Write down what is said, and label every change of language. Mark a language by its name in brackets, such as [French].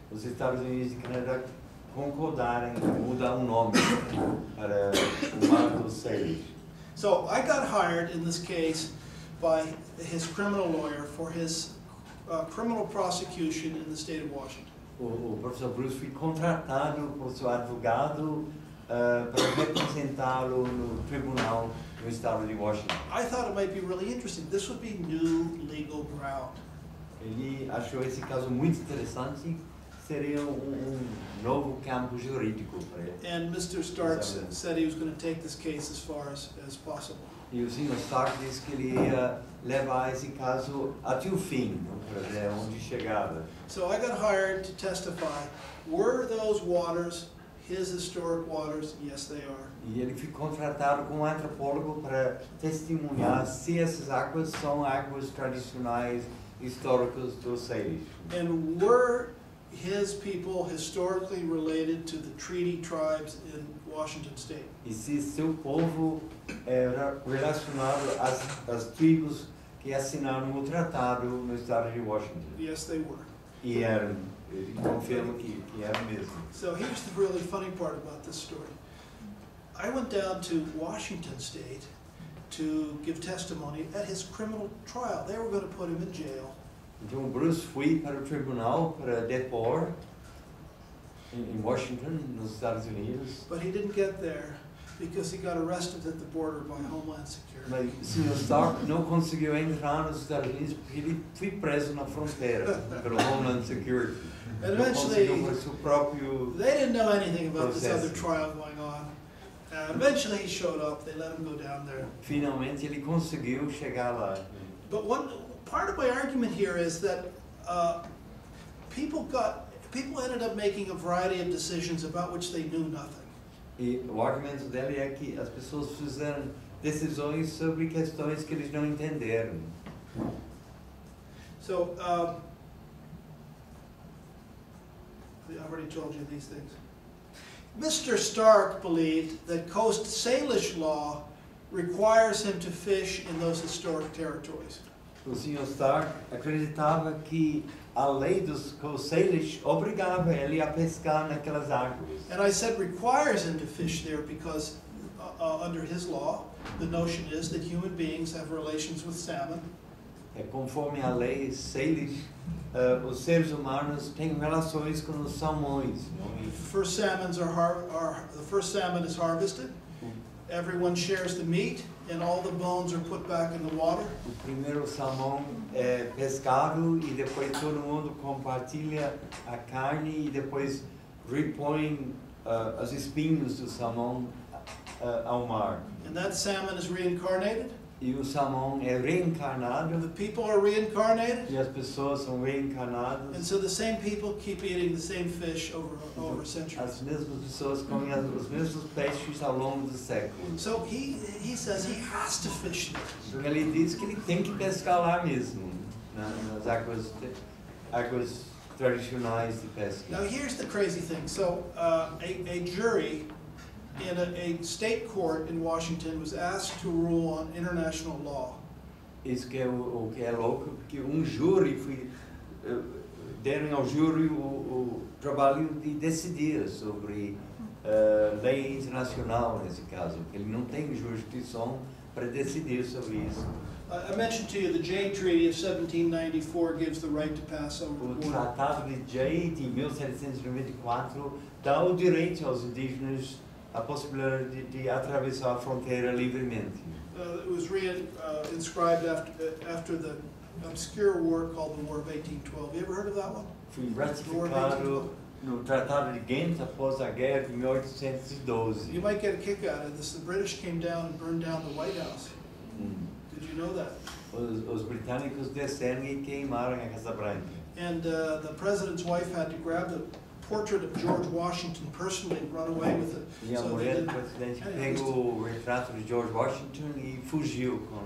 [Portuguese] Os Estados Unidos e Canadá concordaram em mudar o nome para o Mar do Salish. [English] So I got hired in this case by his criminal lawyer for his criminal prosecution in the state of Washington. [Portuguese] O professor Bruce foi contratado por seu advogado para representá-lo no tribunal do estado de Washington. [English] I thought it might be really interesting. This would be new legal ground. [Portuguese] Ele achou esse caso muito interessante. Seria novo campo jurídico para ele. [English] And Mr. Stark said he was going to take this case as far as possible. [Portuguese] E o senhor Stark disse que ele ia levar esse caso até o fim, para ver onde chegava. [English] So I got hired to testify. Were those waters his historic waters? Yes, they are. [Portuguese] E ele foi contratado com um antropólogo para testemunhar se essas águas são águas tradicionais históricas do Salish. [English] And were his people historically related to the treaty tribes in Washington State? [Portuguese] E se seu povo era relacionado às, às tribos que assinaram o tratado no estado de Washington? [English] Yes, they were. [Portuguese] E eram. Ele confirma que era mesmo. [English] So here's the really funny part about this story. I went down to Washington State to give testimony at his criminal trial. They were going to put him in jail. [Portuguese] Então o Bruce foi para o tribunal para depor em Washington, nos Estados Unidos. [English] But he didn't get there because he got arrested at the border by Homeland Security. [Portuguese] Mas o senhor Stark não conseguiu entrar nos Estados Unidos porque ele foi preso na fronteira pelo Homeland Security. [English] And eventually, they didn't know anything about this other trial going on. Eventually he showed up, they let him go down there. [Portuguese] Finalmente ele conseguiu chegar lá. [English] But one part of my argument here is that people ended up making a variety of decisions about which they knew nothing. [Portuguese] E o argumento dele é que as pessoas fizeram decisões sobre questões que eles não entenderam. [English] So, I already told you these things. Mr. Stark believed that Coast Salish law requires him to fish in those historic territories. [Portuguese] O senhor Stark acreditava que a lei dos Coast Salish obrigava ele a pescar naquelas águas. [English] And I said requires him to fish there because under his law, the notion is that human beings have relations with salmon. [Portuguese] É conforme a lei Salish, os seres humanos têm relações com os salmões. [English] The first salmon is harvested. Everyone shares the meat, and all the bones are put back in the water. [Portuguese] O primeiro salmão é pescado e depois todo mundo compartilha a carne e depois repõe as espinhos do salmão ao mar. [English] And that salmon is reincarnated. [Portuguese] E o salmão é reencarnado. [English] The people are reincarnated. [Portuguese] E as pessoas são reencarnadas. [English] And so the same people keep eating the same fish over centuries. [Portuguese] As mesmas pessoas comem os mesmos peixes ao longo dos séculos. [English] So he says he has to fish there. [Portuguese] Então ele diz que ele tem que pescar lá mesmo, nas águas tradicionais de pesca. [English] Now here's the crazy thing. So a jury in a state court in Washington was asked to rule on international law. [Portuguese] Isso que é o que é louco, que um júri foi deram ao júri o trabalho de decidir sobre lei internacional nesse caso, que ele não tem jurisdição para decidir sobre isso. [English] I mentioned to you the Jay Treaty of 1794 gives the right to pass over the border. [Portuguese] O tratado de Jay de 1794 dá o direito aos indígenas a possibilidade de atravessar a fronteira livremente. [English] It was re-inscribed after the obscure war called the War of 1812. You ever heard of that one? [Portuguese] Foi ratificado no Tratado de Ghent após a guerra de 1812. [English] You might get a kick out of this. The British came down and burned down the White House. Did you know that? [Portuguese] Os britânicos desceram e queimaram a Casa Branca. [English] And the president's wife had to grab the portrait of George Washington personally and run away with it. [Portuguese] E a mulher do presidente pegou o retrato de George Washington e fugiu com.